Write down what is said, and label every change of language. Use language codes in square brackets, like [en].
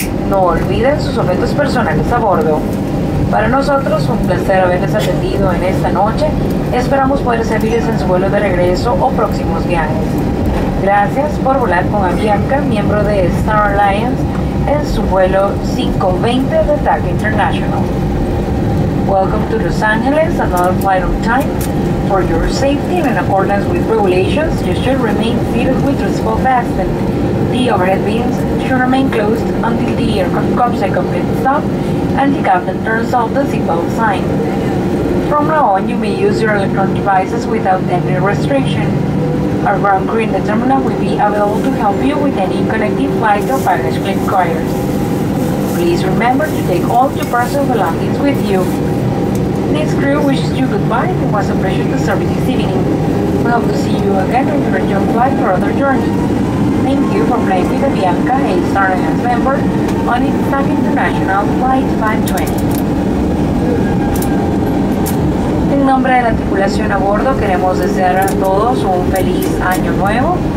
[es] No olviden sus objetos personales a bordo. Para nosotros, un placer haberles atendido en esta noche. Esperamos poder servirles en su vuelo de regreso o próximos viajes. Gracias por volar con Avianca, miembro de Star Alliance, en su vuelo 520 de TAC International. [en] Welcome to Los Angeles, another flight on time. For your safety and in accordance with regulations, you should remain seated with your seatbelt fastened. The overhead bins should remain closed until the aircraft comes to a complete stop and the captain turns off the seatbelt sign. From now on, you may use your electronic devices without any restriction. Our ground crew in the terminal will be available to help you with any connecting flight or baggage claim required. Please remember to take all your personal belongings with you. This crew wishes you goodbye. It was a pleasure to serve this evening. We hope to see you again on your return flight or other journey. Thank you for flying with Avianca, a Star Alliance member, on its TAC International Flight 520. [es] En nombre de la tripulación a bordo, queremos desear a todos un feliz año nuevo.